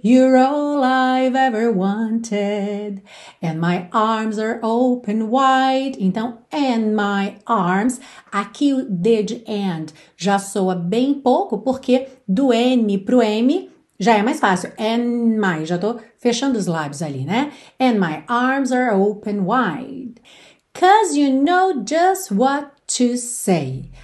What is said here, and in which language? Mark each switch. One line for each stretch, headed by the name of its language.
English: You're all I've ever wanted. And my arms are open wide. Então, and my arms.
Portuguese: Aqui o D de and já soa bem pouco, porque do N pro M já é mais fácil.
English: And my,
Portuguese: já tô fechando os lábios ali, né?
English: And my arms are open wide. 'Cause you know just what to say.